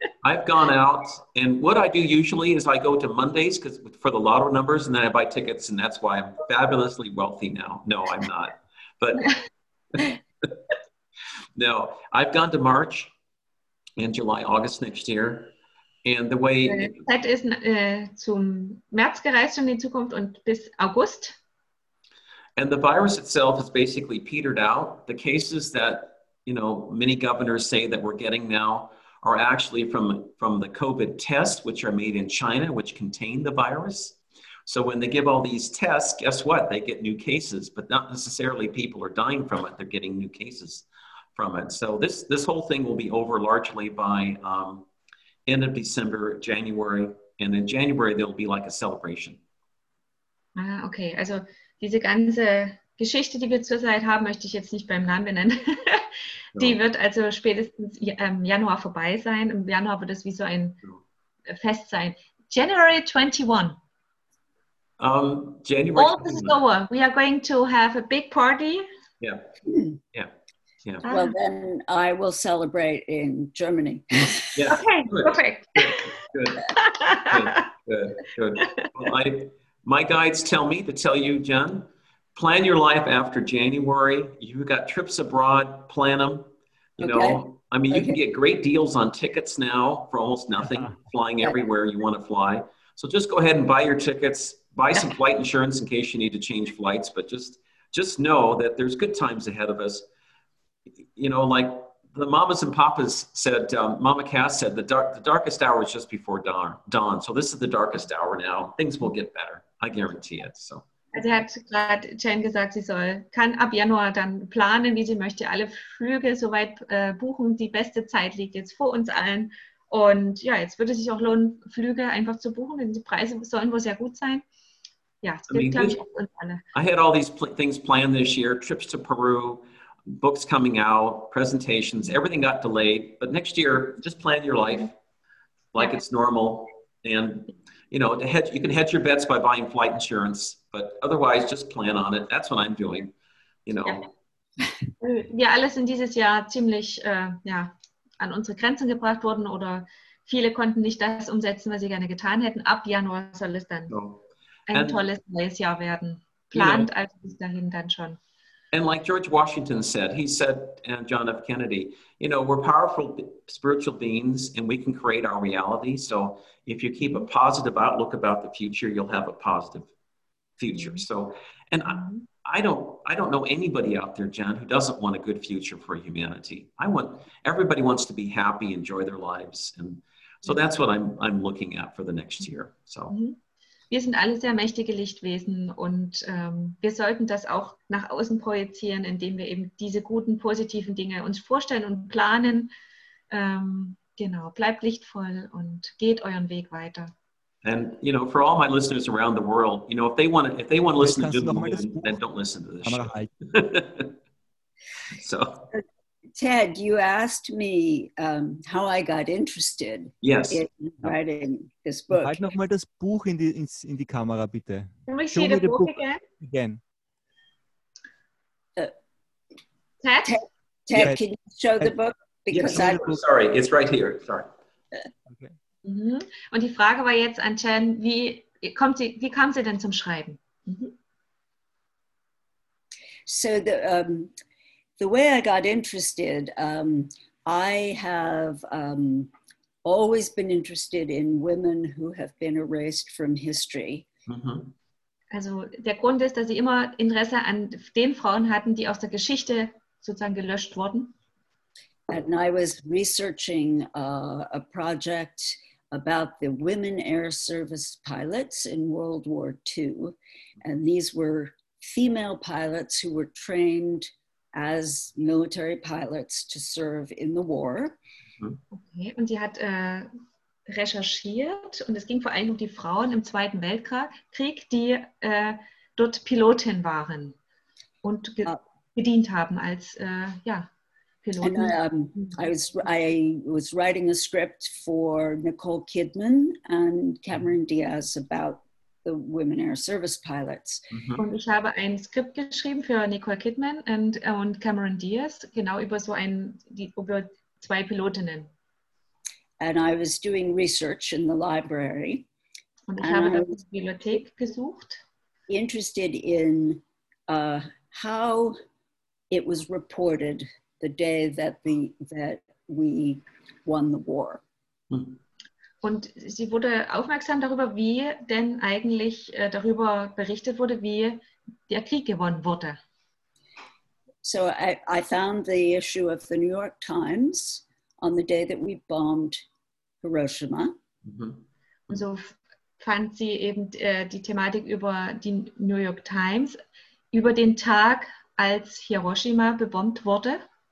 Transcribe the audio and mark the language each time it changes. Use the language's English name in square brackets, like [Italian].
[English] I've gone out, and what I do usually is I go to Mondays for the lottery numbers, and then I buy tickets, and that's why I'm fabulously wealthy now. No, I'm not. But no, I've gone to March and July, August next year. And the way... [German] Ted ist zum März gereist in die Zukunft und bis August. [English] And the virus itself has basically petered out. The cases that, you know, many governors say that we're getting now are actually from the COVID tests, which are made in China, which contain the virus. So when they give all these tests, guess what? They get new cases, but not necessarily people are dying from it. They're getting new cases from it. So this whole thing will be over largely by end of December, January. And in January, there'll be like a celebration. Ah, okay. [German] Also diese ganze Geschichte, die wir zurzeit haben, möchte ich jetzt nicht beim Namen benennen. Die wird also spätestens im Januar vorbei sein. Im Januar wird es wie so ein Fest sein. [English] January 21. January. All is over. We are going to have a big party. Yeah. Well, then I will celebrate in Germany. Yeah. Okay. Good. Perfect. Good. Well, my guides tell me to tell you, Jen, plan your life after January. You've got trips abroad. Plan them. You can get great deals on tickets now for almost nothing. Flying everywhere you want to fly. So just go ahead and buy your tickets. Buy some flight insurance in case you need to change flights, but just know that there's good times ahead of us. You know, like the mamas and papas said, Mama Cass said, the darkest hour is just before dawn. So this is the darkest hour now. Things will get better. I guarantee it. So. [German] Also hat gerade Jen gesagt, sie kann ab Januar dann planen, wie sie möchte, alle Flüge soweit buchen. Die beste Zeit liegt jetzt vor uns allen. Und ja, jetzt würde es sich auch lohnen, Flüge einfach zu buchen, denn die Preise sollen wohl sehr gut sein. Ja, es gibt, glaube ich, auch uns alle. [English] I had all these things planned this year, trips to Peru, books coming out, presentations, everything got delayed. But next year, just plan your life like it's normal. And, you know, you can hedge your bets by buying flight insurance, but otherwise just plan on it. That's what I'm doing, you know. [German] Ja. Wir alle sind dieses Jahr ziemlich, an unsere Grenzen gebracht worden oder viele konnten nicht das umsetzen, was sie gerne getan hätten. Ab Januar soll es dann tolles neues Jahr werden. Plant also bis dahin dann schon. [English] And like George Washington said, he said, and John F. Kennedy, you know, we're powerful spiritual beings and we can create our reality. So if you keep a positive outlook about the future, you'll have a positive future. So, and I don't know anybody out there, Jen, who doesn't want a good future for humanity. Everybody wants to be happy, enjoy their lives. And so that's what I'm looking at for the next year. So. [German] Wir sind alle sehr mächtige Lichtwesen und wir sollten das auch nach außen projizieren, indem wir eben diese guten, positiven Dinge uns vorstellen und planen. Genau, bleibt lichtvoll und geht euren Weg weiter. [English] And you know, for all my listeners around the world, you know, if they want to listen to Doom and Gloom, then don't listen to this show. So, Ted, you asked me how I got interested in writing this book. [German] Halt noch mal das Buch in die Kamera, bitte. [English] Can we see the book again? Ted, can you show the book? Because sorry, it's right here. Sorry. [German] Und die Frage war jetzt an Jen, wie kam sie denn zum Schreiben? [English] So the way I got interested, I have always been interested in women who have been erased from history. Mm-hmm. [German] Also der Grund ist, dass sie immer Interesse an den Frauen hatten, die aus der Geschichte sozusagen gelöscht wurden. [English] And I was researching a project about the women air service pilots in World War II. And these were female pilots who were trained as military pilots to serve in the war. [German] Okay, und sie hat recherchiert und es ging vor allem um die Frauen im Zweiten Weltkrieg, die dort Pilotin waren und gedient haben als Pilotin. [English] I was writing a script for Nicole Kidman and Cameron Diaz about the women air service pilots. Mm-hmm. [German] Und ich habe ein Skript geschrieben für Nicole Kidman und Cameron Diaz, genau über so ein, die, über zwei Pilotinnen. [English] And I was doing research in the library. [German] Und ich habe in der Bibliothek gesucht. [English] Interested in how it was reported the day that we won the war. Mm-hmm. [German] Und sie wurde aufmerksam darüber, wie denn eigentlich darüber berichtet wurde, wie der Krieg gewonnen wurde. [English] So I found the issue of the New York Times on the day that we bombed Hiroshima. Mm-hmm. [German] Und so fand sie eben die Thematik über die New York Times, über den Tag, als Hiroshima bebombt wurde.